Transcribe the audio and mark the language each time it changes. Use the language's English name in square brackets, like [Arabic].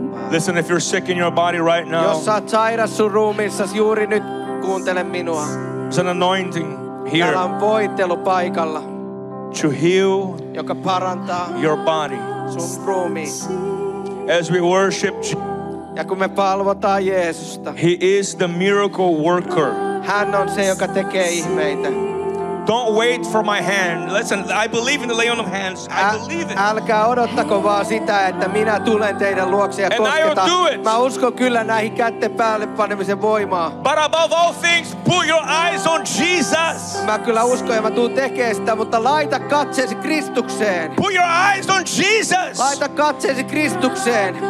[English] Listen, if you're sick in your body right now. [Finnish] Jos saat sairas sun ruumiissas juuri nyt, kuuntele minua. [English] There's an anointing here. [Finnish] Täällä on voitelu paikalla. [English] To heal. [Finnish] Joka parantaa. [English] Your body. [Finnish] Sun ruumiin. [English] As we worship Jesus. [Finnish] Ja kun me palvotaan Jeesusta. [English] He is the miracle worker. [Finnish] Hän on se, joka tekee ihmeitä. [English] Don't wait for my hand. Listen, I believe in the laying of hands. I believe it. [Finnish] Älkää odottako vaan sitä, että minä tulen teidän luokse ja kosketan. Mä uskon kyllä näihin kätten päälle panemisen voimaa. [English] But above all things, put your eyes on Jesus. [Finnish] Mä kyllä uskon ja mä tuun tekemään sitä, mutta laita katseesi Kristukseen. [English] Put your eyes on Jesus. [Finnish] Laita katseesi Kristukseen.